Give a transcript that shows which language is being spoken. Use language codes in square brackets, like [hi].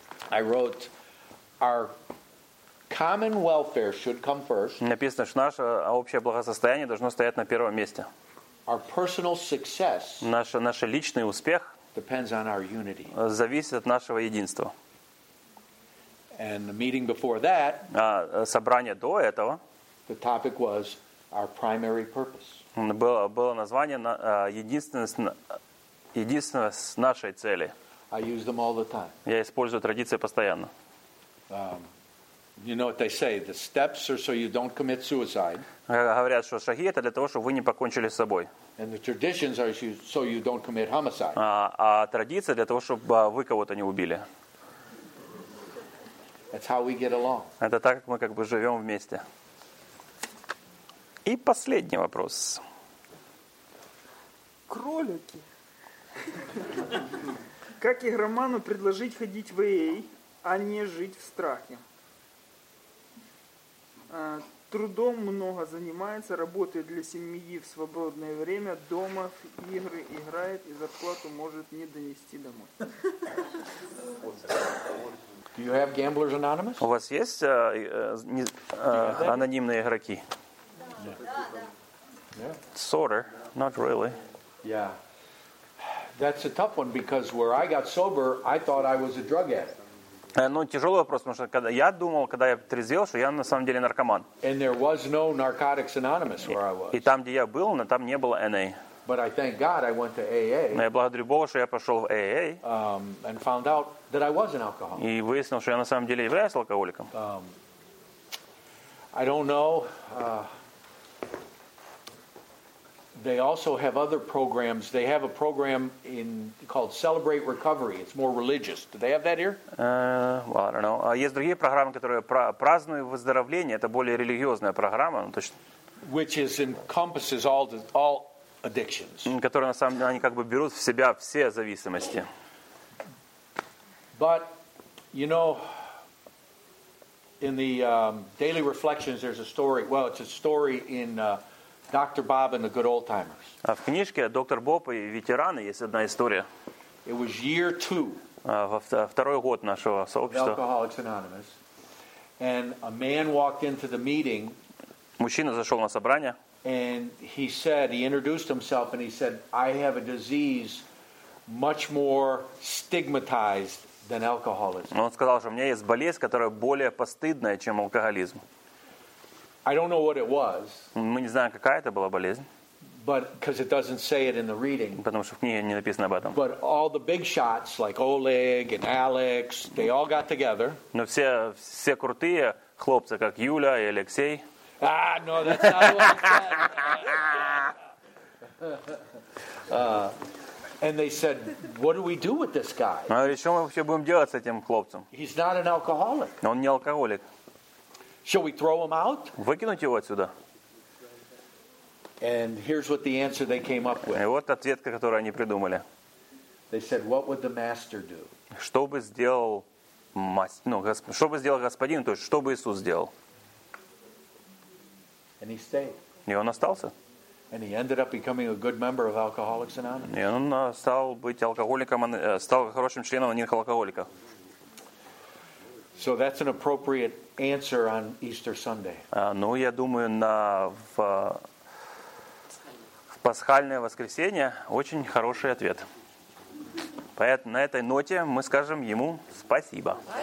[en] I wrote, our common welfare should come first. [ru] Написано, что наше общее благосостояние должно стоять на первом месте. [en] Our personal success. [ru] Наш личный успех. [en] Depends on our unity. [ru] Зависит от нашего единства. [en] And the meeting before that. [ru] Собрание до этого. [en] The topic was our primary purpose. [ru] Было название единственность. Единственное с нашей цели. [en] I use them all the time. [ru] Я использую традиции постоянно. [en] You know what they say, the steps are so you don't commit suicide. [ru] Говорят, что шаги это для того, чтобы вы не покончили с собой. [en] And the traditions are so you don't commit homicide. [ru] А традиция для того, чтобы вы кого-то не убили. [en] That's how we get along. [ru] Это так, как мы как бы живем вместе. И последний вопрос. Кролики. Как игроману предложить ходить в АА, а не жить в страхе? Трудом много занимается, работает для семьи в свободное время, дома в игры играет и зарплату может не донести домой. [en] Do you have Gamblers Anonymous? [ru] У вас есть анонимные игроки? [en] Yeah. Sort of, not really. Yeah. That's a tough one because where I got sober, I thought I was a drug addict. [ru] Ну, тяжелый вопрос, потому что когда я думал, когда я трезвел, что я на самом деле наркоман. [en] And there was no Narcotics Anonymous where I was. [ru] И там, где я был, но там не было NA. [en] But I thank God I went to AA. [ru] Но я благодарю Бога, что я пошел в AA. [en] And found out that I was an alcoholic. [ru] И выяснил, что я на самом деле являюсь алкоголиком. [en] I don't know. They also have other programs. They have a program in called Celebrate Recovery. It's more religious. Do they have that here? Well, I don't know. [ru] Есть другие программы, которые празднуют выздоровление. Это более религиозная программа, точно. [en] Which is encompasses all addictions. [ru] Которые на самом деле они как бы берут в себя все зависимости. [en] But you know, in the Daily Reflections, there's a story. Well, it's a story in. Dr. Bob and the Good Old Timers. [ru] В книжке «Доктор Боб и ветераны» есть одна история. [en] It was year two. [ru] Второй год нашего сообщества. [en] Alcoholics Anonymous. And a man walked into the meeting. [ru] Мужчина зашел на собрание. [en] And he said, he introduced himself and he said, I have a disease much more stigmatized than alcoholism. [ru] Он сказал, что у меня есть болезнь, которая более постыдная, чем алкоголизм. [en] I don't know what it was. [ru] Мы не знаем, какая это была болезнь. [en] But because it doesn't say it in the reading. [ru] Потому что в книге не написано об этом. [en] But all the big shots, like Oleg and Alex, they all got together. [ru] Но все крутые хлопцы, как Юля и Алексей. [en] Ah, no, that's not what I said. And they said, "What do we do with this guy?" [ru] Ну, а что мы вообще будем делать с этим хлопцем? [en] He's not an alcoholic. [ru] Он не алкоголик. [en] Shall we throw him out? [ru] Выкинуть его отсюда. [en] And here's what the answer they came up with. [ru] И вот ответка, которую они придумали. [en] They said, "What would the master do?" [ru] Что бы сделал мастер, ну, что бы сделал господин, то есть что бы Иисус сделал? [en] And he stayed. [ru] И он остался. [en] And he ended up becoming a good member of Alcoholics Anonymous. [ru] И он стал быть алкоголиком, стал хорошим членом Анонимных Алкоголиков. [en] So that's an appropriate answer on Easter Sunday. [ru] Ну, я думаю, в пасхальное воскресенье очень хороший ответ. Поэтому на этой ноте мы скажем ему спасибо.